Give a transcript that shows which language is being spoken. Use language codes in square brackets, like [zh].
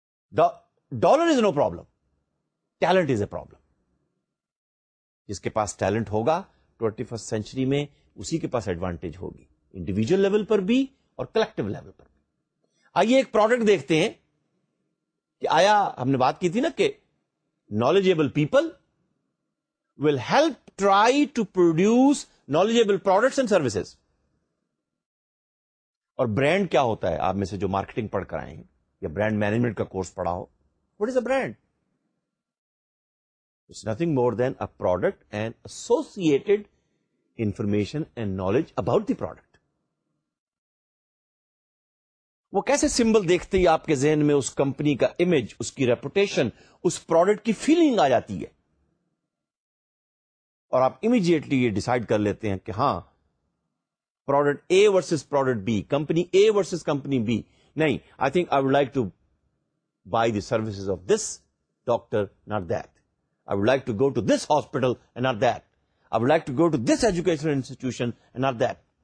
[en] dollar is no problem talent is a problem [ur] جس کے پاس talent ہوگا 21st سینچری میں اسی کے پاس ایڈوانٹیج ہوگی انڈیویجل لیول پر بھی اور کلیکٹو لیول پر بھی آئیے ایک پروڈکٹ دیکھتے ہیں کہ آیا ہم نے بات کی تھی نا کہ [en] Knowledgeable people will help try to produce knowledgeable products and services. [ur] اور برانڈ کیا ہوتا ہے آپ میں سے جو مارکیٹنگ پڑھ کر آئے ہیں یا برانڈ مینجمنٹ کا کورس پڑھا ہو [en] what is a brand? It's nothing more than a product and associated information and knowledge about the product. [ur] وہ کیسے سمبل دیکھتے ہی آپ کے ذہن میں اس کمپنی کا امیج اس کی ریپوٹیشن اس پروڈکٹ کی فیلنگ آ جاتی ہے اور آپ امیجیٹلی یہ ڈیسائیڈ کر لیتے ہیں کہ ہاں [en] product A versus product B company A versus company B [ur] نہیں [en] I think I would like to buy the services of this doctor not that [ur] I would like to go to this hospital and not that I would like to go to this education institution and not that